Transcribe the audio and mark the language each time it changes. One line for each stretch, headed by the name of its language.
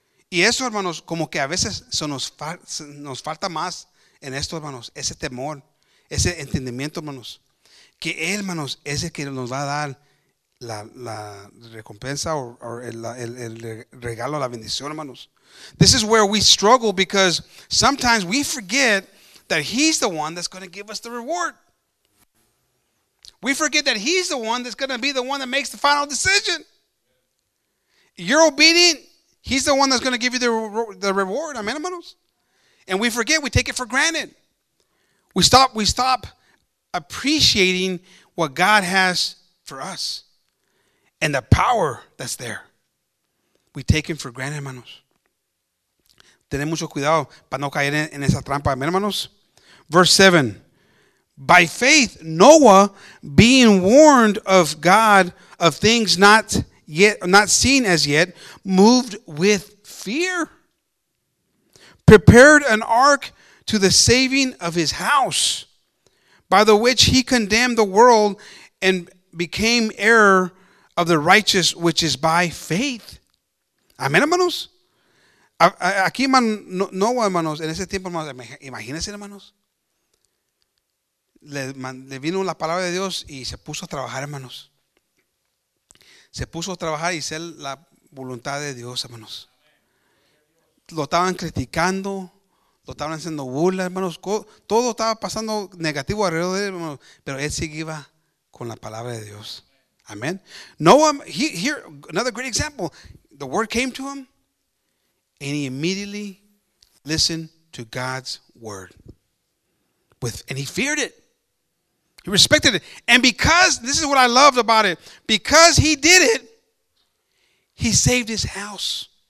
Spanish: Y eso, hermanos, como que a veces nos falta más en esto, hermanos. Ese temor, ese entendimiento, hermanos. Que él, hermanos, es el que nos va a dar la recompensa o el regalo, la bendición, hermanos.
English: This is where we struggle because sometimes we forget that he's the one that's going to give us the reward. We forget that he's the one that's going to be the one that makes the final decision. You're obedient. He's the one that's going to give you the reward. Amen, hermanos. And we forget. We take it for granted. We stop appreciating what God has for us and the power that's there. We take it for granted, hermanos.
Spanish: Tener mucho cuidado para no caer en esa trampa. Amen, hermanos.
English: Verse 7. By faith, Noah, being warned of God of things not seen as yet, moved with fear, prepared an ark to the saving of his house, by the which he condemned the world and became heir of the righteous, which is by faith.
Spanish: Amen, hermanos. Aquí, no, hermanos, en ese tiempo, hermanos, imagínense, hermanos. Le vino la palabra de Dios y se puso a trabajar, hermanos. Se puso a trabajar y hacer la voluntad de Dios, hermanos. Lo estaban criticando, lo estaban haciendo burla, hermanos. Todo estaba pasando negativo alrededor de él, hermanos. Pero él seguía con la palabra de Dios.
English: Amén. Noah, here, another great example. The word came to him, and he immediately listened to God's word. And he feared it. He respected it. And because, this is what I loved about it, because he did it, he saved his house.